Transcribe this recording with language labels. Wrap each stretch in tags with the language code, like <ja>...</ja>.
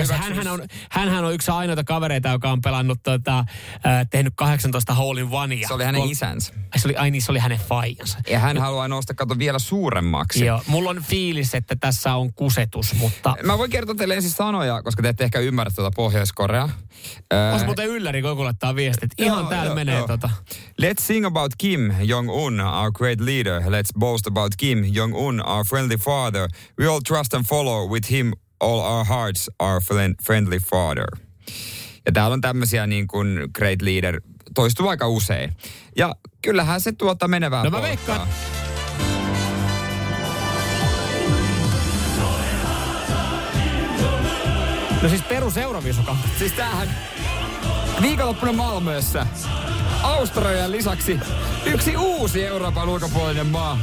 <fi>koska hänhän on yksi ainoita kavereita, joka on pelannut, tehnyt 18 Hole in Onea. Se oli hänen isänsä. Se oli hänen faijansa. Ja hän haluaa nousta kato vielä suuremmaksi. Joo, mulla on fiilis, että tässä on kusetus, mutta... Mä voin kertoa teille ensin sanoja, koska te ette ehkä ymmärrä tuota Pohjois-Koreaa. Olisi muuten ylläri, kun joku laittaa viestit. Ihan täällä menee.</fi> <en>Let's sing about Kim Jong-un, our great leader. Let's boast about Kim Jong-un, our friendly father. We all trust and follow with him all our hearts, our friendly father.</en> <fi>Ja täällä on tämmöisiä niin kuin</fi> <en>great leader,</en> <fi>toistuu aika usein. Ja kyllähän se menevää pohtaa. No mä veikkaan, No siis perus Euroviisukampi. Siis tämähän viikonloppuna Malmössä Australian lisäksi yksi uusi Euroopan ulkopuolinen maa.</fi>